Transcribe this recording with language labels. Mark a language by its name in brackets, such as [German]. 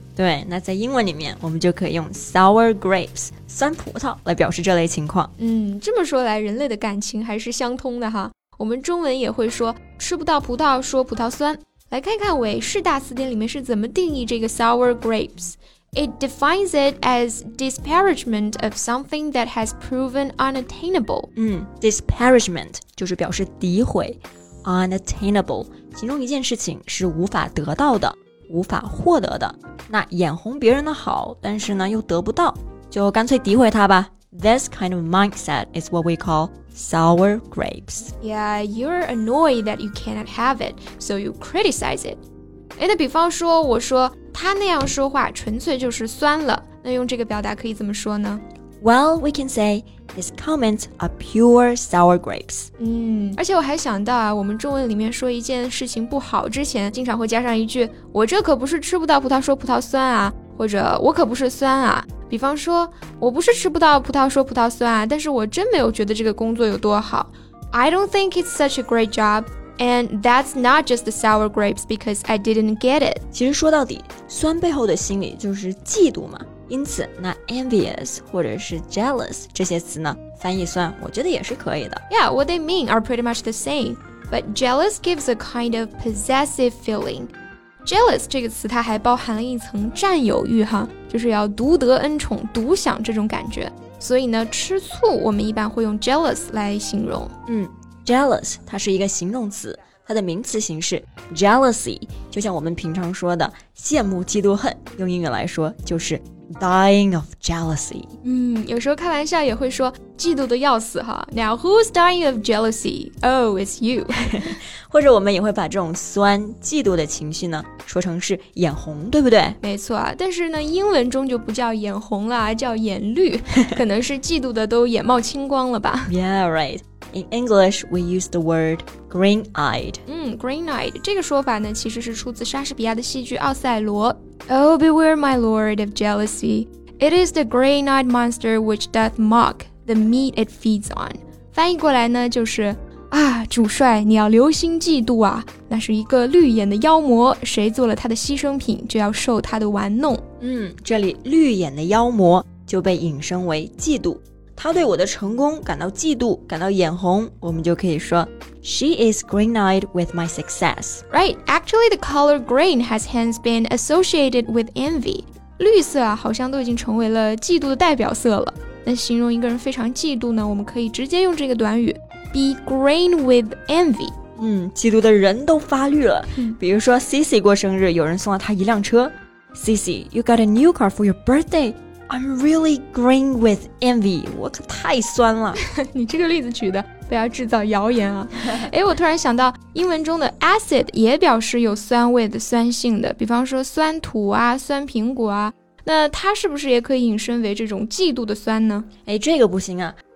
[Chinese] 对，那在英文里面，我们就可以用 sour grapes 酸葡萄来表示这类情况。嗯，这么说来，人类的感情还是相通的哈。我们中文也会说吃不到葡萄说葡萄酸。来看看韦氏大词典里面是怎么定义这个 sour grapes。 [English] It defines it as disparagement of something that has proven unattainable. [Chinese] 嗯 ，disparagement 就是表示诋毁。Unattainable 形容一件事情是无法得到的、无法获得的。那眼红别人的好，但是呢又得不到，就干脆诋毁他吧。 [English] This kind of mindset is what we call sour grapes. Yeah, you're annoyed that you cannot have it, so you criticize it. [Chinese] 哎，那比方说，我说他那样说话纯粹就是酸了，那用这个表达可以怎么说呢？ [English] Well, we can say his comments are pure sour grapes. [Chinese] 嗯，而且我还想到啊，我们中文里面说一件事情不好之前，经常会加上一句，我这可不是吃不到葡萄说葡萄酸啊，或者我可不是酸啊。比方说，我不是吃不到葡萄说葡萄酸啊，但是我真没有觉得这个工作有多好。 [English] I don't think it's such a great job, and that's not just the sour grapes because I didn't get it. [Chinese] 其实说到底，酸背后的心理就是嫉妒嘛。因此那 envious 或者是 jealous 这些词呢翻译酸我觉得也是可以的。 [English] Yeah, what they mean are pretty much the same, but jealous gives a kind of possessive feeling. [Chinese] Jealous 这个词它还包含了一层占有欲哈，就是要独得恩宠、独享这种感觉。所以呢吃醋我们一般会用 jealous 来形容。嗯， jealous 它是一个形容词，它的名词形式 jealousy 就像我们平常说的羡慕、嫉妒、恨，用英语来说就是 Dying of jealousy. 嗯，有时候开玩笑也会说嫉妒的要死哈。 [English] Now who's dying of jealousy? Oh, it's you. [Chinese] 或者我们也会把这种酸嫉妒的情绪呢说成是眼红，对不对？没错啊，但是呢英文中就不叫眼红了，叫眼绿，可能是嫉妒的都眼冒青光了吧。 [English] Yeah, right. In English, we use the word green-eyed. [Chinese] 嗯 ,green-eyed, 这个说法呢其实是出自莎士比亚的戏剧奥赛罗。 [English] Oh, beware, my lord, of jealousy. It is the green-eyed monster which doth mock the meat it feeds on. [Chinese] 翻译过来呢，就是啊，主帅，你要留心嫉妒啊！那是一个绿眼的妖魔，谁做了他的牺牲品，就要受他的玩弄。嗯，这里绿眼的妖魔就被引申为嫉妒。她对我的成功感到嫉妒，感到眼红，我们就可以说 [English] She is green-eyed with my success. Right, actually the color green has hence been associated with envy. [Chinese] 绿色啊，好像都已经成为了嫉妒的代表色了。那形容一个人非常嫉妒呢，我们可以直接用这个短语 [English] be green with envy. [Chinese] 嫉妒的人都发绿了。比如说 Cici 过生日，有人送了她一辆车。 [English] Cici, you got a new car for your birthday. I'm really green with envy. [Chinese] 我可太酸了。你这个例子举的不要制造谣言啊。哎，我突然想到英文中的 acid 也表示有酸味的酸性的。比方说酸土啊，酸苹果啊。那它是不是也可以引申为这种嫉妒的酸呢？哎，这个不行啊。